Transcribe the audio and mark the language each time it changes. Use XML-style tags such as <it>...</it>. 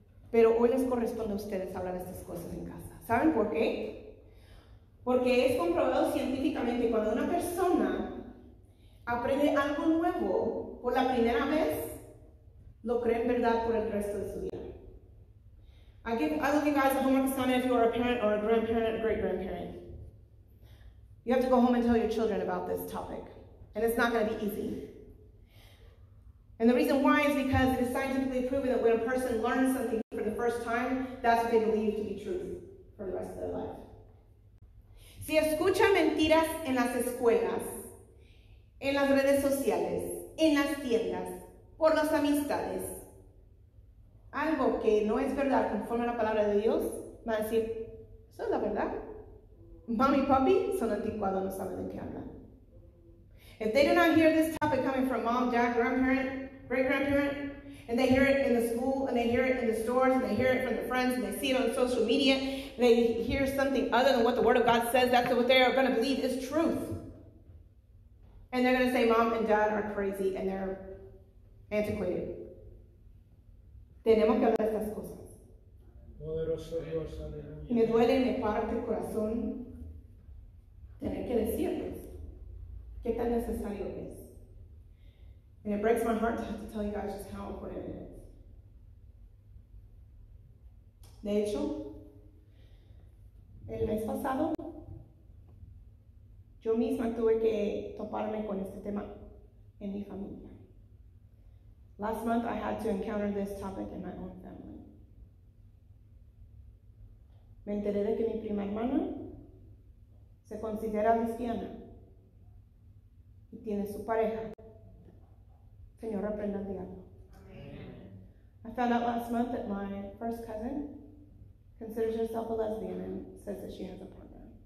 <es>Pero hoy les corresponde a ustedes hablar de estas cosas en casa. ¿Saben por qué? Porque es comprobado científicamente cuando una persona aprende algo nuevo por la primera vez, lo cree en verdad por el resto de su vida.</es> <en>I'll give you guys a homework assignment if you are a parent or a grandparent or a great-grandparent. You have to go home and tell your children about this topic. And it's not going to be easy. And the reason why is because it is scientifically proven that when a person learns something for the first time, that's what they believe to be true for the rest of their life.</en> <es>Si escucha mentiras en las escuelas, en las redes sociales, en las tiendas, por las amistades, algo que no es verdad conforme a la palabra de Dios, va a decir, eso es la verdad. Mommy, papi, son anticuados, no saben de qué hablan.</es> <en>If they do not hear this topic coming from mom, dad, grandparent, great-grandparent, and they hear it in the school, and they hear it in the stores, and they hear it from their friends, and they see it on social media, and they hear something other than what the Word of God says, that's what they are going to believe is truth. And they're going to say mom and dad are crazy, and they're antiquated.</en> <es>Tenemos que hablar de estas cosas. Poderoso Dios, aleluya. Me duele, me parte el corazón tener que decirles qué tan necesario es.</es> <en>And it breaks my heart to have to tell you guys just how important it is.</en> <es>De hecho, el mes pasado, yo misma tuve que toparme con este tema en mi familia.</es> <en>Last month, I had to encounter this topic in my own family.</en> <es>Me enteré de que mi prima hermana se considera lesbiana y tiene su pareja. Señor, aprenda el diablo.</es> <en>I found out last month that my first cousin considers herself a lesbian and says that she has a partner.</en>